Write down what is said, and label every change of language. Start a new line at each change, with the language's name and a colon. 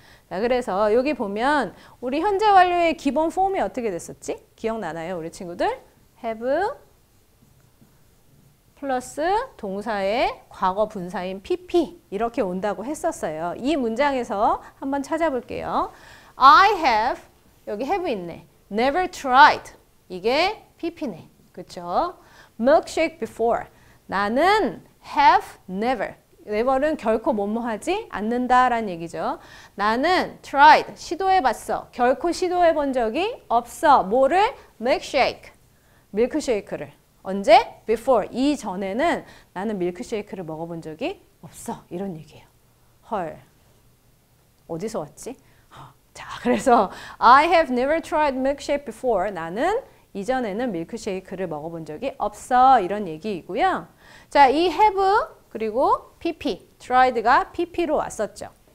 Korean: 자, 그래서 여기 보면 우리 현재 완료의 기본 폼이 어떻게 됐었지? 기억나나요, 우리 친구들? Have 플러스 동사의 과거 분사인 PP 이렇게 온다고 했었어요. 이 문장에서 한번 찾아볼게요.
English: I have, 여기 have 있네. Never tried.
Korean: 이게 PP네. 그쵸?
English: Milkshake before.
Korean: 나는 have never. Never은 결코 뭐뭐 하지 않는다 라는 얘기죠. 나는 tried, 시도해봤어. 결코 시도해본 적이 없어. 뭐를? Milkshake. 밀크쉐이크를. 언제? Before. 이전에는 나는 밀크쉐이크를 먹어본 적이 없어. 이런 얘기예요. 헐. 어디서 왔지?
English: 자, 그래서 I have never tried milkshake before.
Korean: 나는 이전에는 밀크쉐이크를 먹어본 적이 없어. 이런 얘기이고요. 자, 이 have 그리고 PP. tried가 PP로 왔었죠.